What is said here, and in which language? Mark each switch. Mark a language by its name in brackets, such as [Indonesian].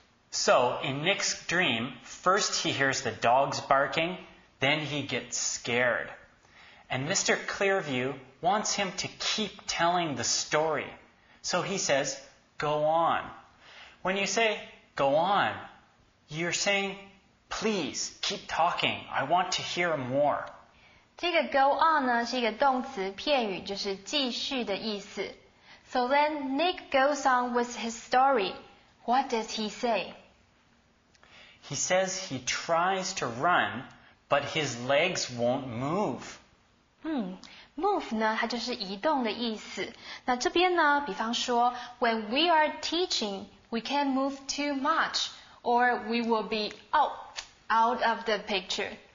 [English] So, in Nick's dream, first he hears the dogs barking, then he gets scared. And Mr. Clearview... wants him to keep telling the story. So he says, go on. When you say, go on, you're saying, please, keep talking. I want to hear more. [Chinese] 这个 go on 呢是一个动词片语就是继续的意思。 [English] So then Nick goes on with his story. What does he say? He says he tries to run, but his legs won't move. [Chinese] Move 呢，它就是移动的意思。那这边呢，比方说 [English] ，when we are teaching, we can't move too much, or we will be out of the picture.